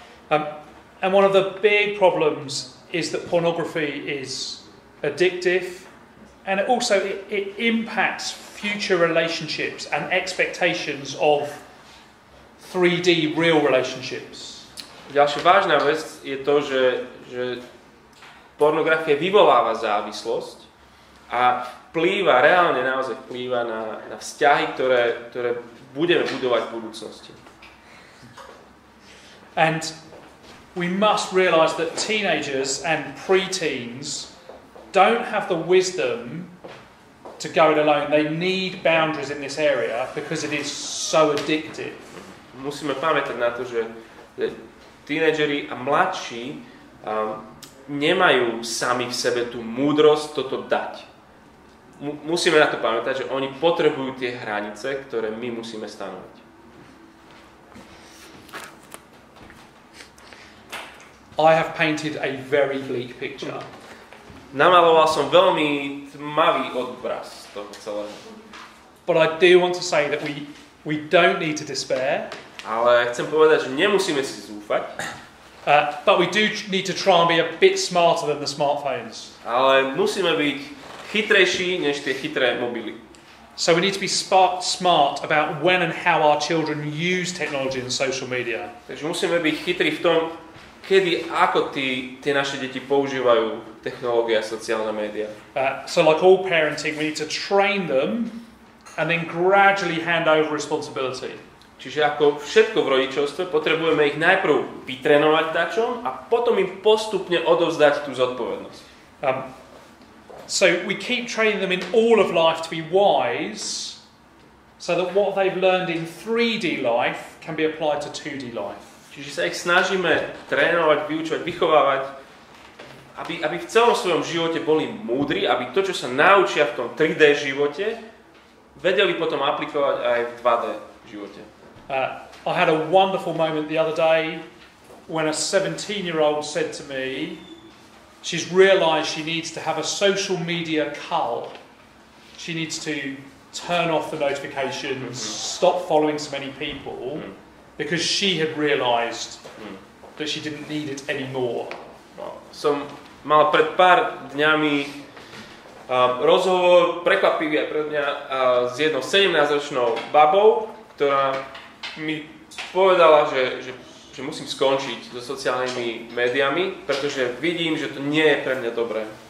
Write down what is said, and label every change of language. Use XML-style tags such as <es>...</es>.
<en>And one of the big problems is that pornography is addictive and it also it impacts future relationships and expectations of 3D real relationships.</en> <sk>Ďalšia vážna vec je to, že pornografia vyvoláva závislosť a plýva, reálne naozaj plýva na vzťahy, ktoré budeme budovať v budúcnosti.</sk> <en>And we must realize that teenagers and preteens don't have the wisdom to go it alone. They need boundaries in this area because it is so addictive.</en> <sk>Musíme pamätať na to, že tínedžeri a mladší nemajú sami v sebe tú múdrosť toto dať. Musíme na to pamätať, že oni potrebujú tie hranice, ktoré my musíme stanoviť.</sk> <en>I have painted a very bleak picture.</en> <sk>Namaloval som veľmi tmavý obraz toho celého.</sk> <en>But I do want to say that we don't need to despair.</en> <sk>Ale chcem povedať, že nemusíme si zúfať.</sk> <en>But we do need to try and be a bit smarter than the smartphones.</en> <sk>Ale musíme byť chytrejší než tie chytré mobily.</sk> <en>So we need to be smart about when and how our children use technology and social media.</en> <sk>Takže musíme byť chytrí v tom, kedy ako tie naše deti používajú technológie a sociálne médiá.</sk> <en>So like all parenting, we need to train them and then gradually hand over responsibility.</en> <sk>Čiže ako všetko v rodičovstve, potrebujeme ich najprv vytrénovať dačom a potom im postupne odovzdať tú zodpovednosť.</sk> <en>So we keep training them in all of life to be wise so that what they've learned in 3D life can be applied to 2D life.</en> <sk>Čiže sa ich snažíme trénovať, vyučovať, vychovávať, aby v celom svojom živote boli múdri, aby to, čo sa naučia v tom 3D živote, vedeli potom aplikovať aj v 2D živote.</sk> <en>I had a wonderful moment the other day when a 17-year-old said to me she's realized she needs to have a social media cull. She needs to turn off the notifications, stop following so many people, because she had realized that she didn't need it anymore.</en> <sk>Som mal pred pár dňami rozhovor, prekvapivý aj pre mňa, s jednou 17-ročnou babou, ktorá mi povedala, že musím skončiť so sociálnymi médiami, pretože vidím, že to nie je pre mňa dobré.</sk>